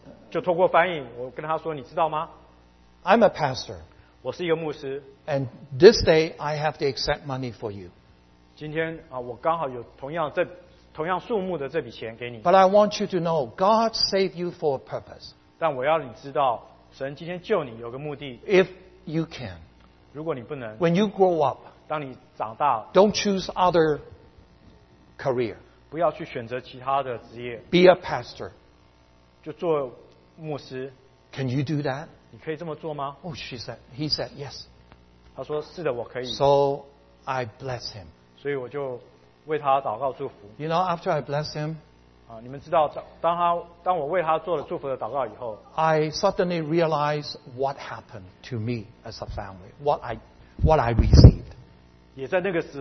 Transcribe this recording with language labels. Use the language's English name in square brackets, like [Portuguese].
[Chinese] 就透过翻译, 我跟他说, 你知道吗? [English] I'm a pastor. [Chinese] 我是一个牧师。 [English] And this day, I have the exact money for you. [Chinese] 今天, 我刚好有同样数目的这笔钱给你。 [English] But I want you to know, God saved you for a purpose. [Chinese] 但我要你知道, 神今天救你有个目的, [English] if you can, [Chinese] 如果你不能, [English] when you grow up, [Chinese] 当你长大, [English] don't choose other career. [Chinese] 不要去选择其他的职业, [English] be a pastor. [Chinese] 就做牧师, [English] can you do that? [Chinese] 你可以这么做吗? [English] Oh, she said, he said, yes. [Chinese] 他说, 是的, 我可以。 [English] So I bless him. [Chinese] 所以我就为他祷告祝福。 [English] You know, after I bless him, [Chinese] 你们知道当我为他做了祝福的祷告以后, [English] I suddenly realized what happened to me as a family, what I received.